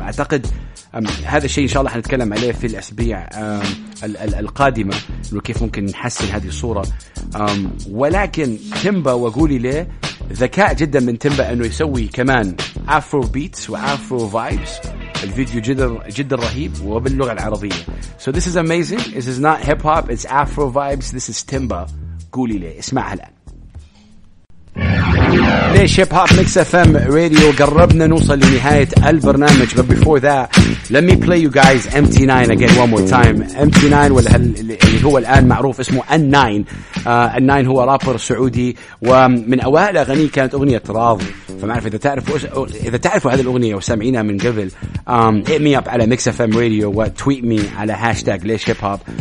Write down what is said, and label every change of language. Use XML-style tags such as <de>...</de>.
<ar>أعتقد هذا الشيء إن شاء الله حنتكلم عليه في الأسبوع القادمة, وكيف ممكن نحسن هذه الصورة. ولكن تيمبا وقولي ليه, ذكاء جدا من تيمبا أنه يسوي كمان أفرو بيتس وأفرو فايبس. الفيديو جدا جدا رهيب وباللغة العربية.</ar> <en>So this is amazing, this is not hip hop, it's Afro vibes, this is Tiemba,</en> <ar>قولي ليه. اسمعها الآن. ليش هيب هوب ميكس اف ام راديو, قربنا نوصل لنهاية البرنامج.</ar> <en>But before that, let me play you guys MT9 again one more time.</en> <ar>MT9 اللي هو الآن معروف اسمه N9. N9 هو رابر سعودي, ومن أوائل أغاني كانت أغنية راضي. فما أعرف إذا تعرفوا هذه الأغنية وسمعينها من قبل,</ar> <en>hit me up</en> <ar>على ميكس اف ام راديو وتويت مي على هاشتاج ليش هيب هوب.</ar>